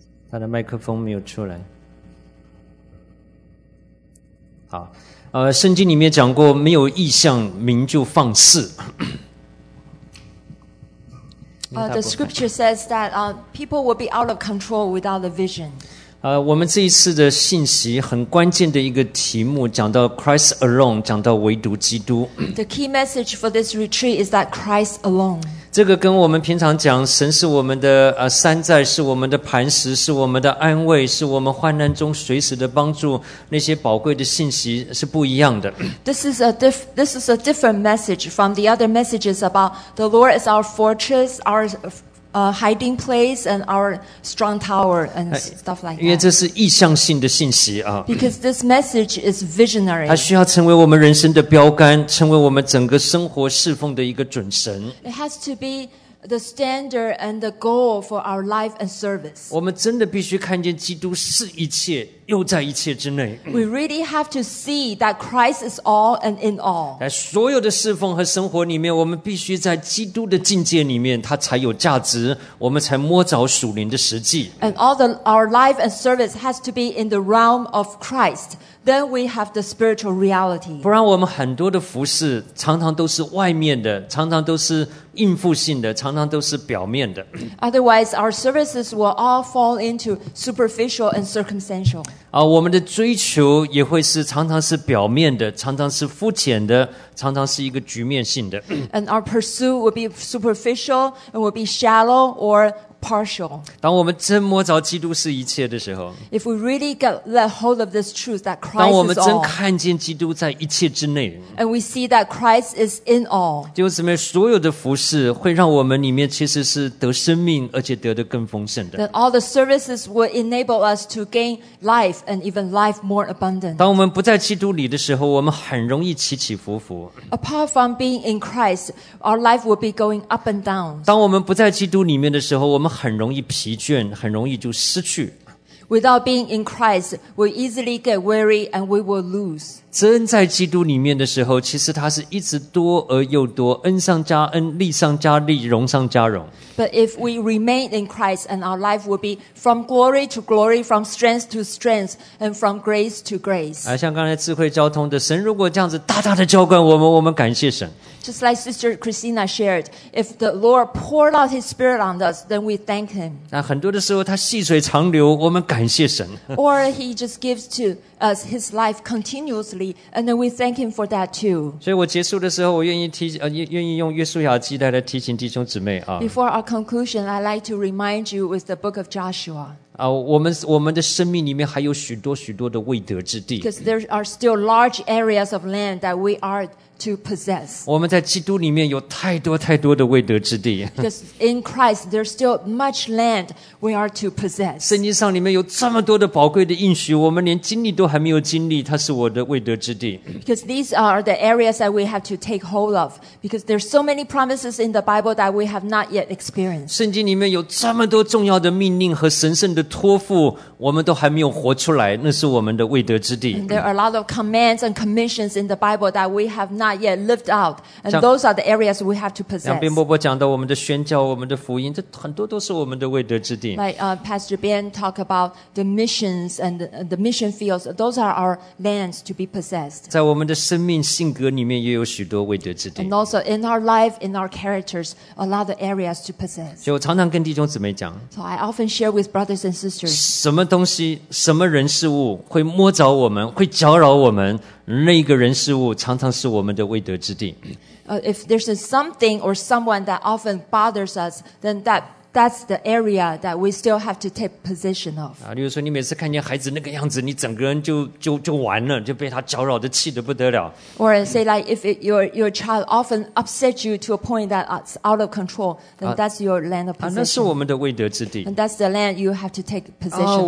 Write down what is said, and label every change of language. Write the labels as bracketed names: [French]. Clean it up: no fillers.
[Chinese] 他的麦克风没有出来。好，圣经里面讲过没有异象民就放肆。 [English] The scripture says that people will be out of control without a vision. [Chinese] 我们这一次的信息很关键的一个题目讲到 [English] Christ alone, [Chinese] 讲到唯独基督。 [English] The key message for this retreat is that Christ alone. [Chinese] 这个跟我们平常讲神是我们的山寨，是我们的磐石，是我们的安慰，是我们患难中随时的帮助，那些宝贵的信息是不一样的。 [English] This is a different message from the other messages about the Lord is our fortress, ourhiding place and our strong tower and stuff like that. [Chinese] 因为这是意向性的信息啊。 [English] Because this message is visionary. [Chinese] 它需要成为我们人生的标杆，成为我们整个生活侍奉的一个准绳。 [English] It has to be the standard and the goal for our life and service. [Chinese] 我们真的必须看见基督是一切，又在一切之内。 [English] We really have to see that Christ is all and in all. [Chinese] 在所有的侍奉和生活里面，我们必须在基督的境界里面，它才有价值，我们才摸着属灵的实际。 [English] And all the our life and service has to be in the realm of Christ. Then we have the spiritual reality. [Chinese] 不然我们很多的服事常常都是外面的，常常都是应付性的，常常都是表面的。 [English] Otherwise, our services will all fall into superficial and circumstantial. [Chinese] 我们的追求也会是常常是表面的，常常是肤浅的，常常是一个局面性的。 [English] And our pursuit will be superficial, it will be shallow or partial. [Chinese] 当我们真摸着基督是一切的时候， [English] if we really get let hold of this truth that Christ is all, [Chinese] 当我们真看见基督在一切之内， [English] and we see that Christ is in all, [Chinese] 弟兄姊妹，所有的服事会让我们里面其实是得生命，而且得的更丰盛的。 [English] that all the services will enable us to gain life and even life more abundant. [Chinese] 当我们不在基督里的时候，我们很容易起起伏伏。 [English] apart from being in Christ, our life will be going up and down. [Chinese] 当我们不在基督里面的时候，我们很容易疲倦，很容易就失去。 [English] Without being in Christ, we easily get weary and we will lose. [Chinese] 真在基督里面的时候，其实它是一直多而又多，恩上加恩，力上加力，荣上加荣。 [English] But if we remain in Christ and our life will be from glory to glory, from strength to strength, and from grace to grace. [Chinese] 像刚才智慧交通的，神如果这样子大大的浇灌我们，我们感谢神。 [English] Just like Sister Christina shared, if the Lord poured out His Spirit on us, then we thank Him. [Chinese] 那很多的时候，他细水长流，我们感谢神。 [English] Or He just gives to us His life continuously, and then we thank Him for that too. [Chinese] 所以我结束的时候，我愿意用约书亚记来提醒弟兄姊妹啊。 [English] Before our conclusion, I'd like to remind you with the Book of Joshua. [Chinese] 啊，我们的生命里面还有许多许多的未得之地。 [English] Because there are still large areas of land that we are. To possess. [Chinese] 我们在基督里面有太多太多的未得之地。 [English] Because in Christ, there's still much land we are to possess. [Chinese] 圣经上里面有这么多的宝贵的应许，我们连经历都还没有经历，它是我的未得之地。 [English] Because these are the areas that we have to take hold of. Because there's so many promises in the Bible that we have not yet experienced. [Chinese] 圣经里面有这么多重要的命令和神圣的托付，我们都还没有活出来，那是我们的未得之地。 [English] And there are a lot of commands and commissions in the Bible that we have not yet lived out, and those are the areas we have to possess. [Chinese] 像伯伯讲到我们的宣教，我们的福音，这很多都是我们的未得之地。 [English] Like Pastor Ben talked about the missions and the mission fields, those are our lands to be possessed. [Chinese] 在我们的生命性格里面也有许多未得之地。 [English] And also in our life, in our characters, a lot of areas to possess. [Chinese] 所以我常常跟弟兄姊妹讲， [English] So I often share with brothers and sisters. [Chinese] 什么东西，什么人事物会摸着我们，会搅扰我们？那个人事物常常是我们的未得之地。 [English] If there's something or someone that often bothers us, then that's the area that we still have to take possession of. [Chinese] 例如说你每次看见孩子那个样子，你整个人就完了，就被他搅扰得气得不得了。 [English] Or say like if your child often upsets you to a point that it's out of control, then that's your land of possession. [Chinese] 那是我们的未得之地。 [English] And that's the land you have to take possession of.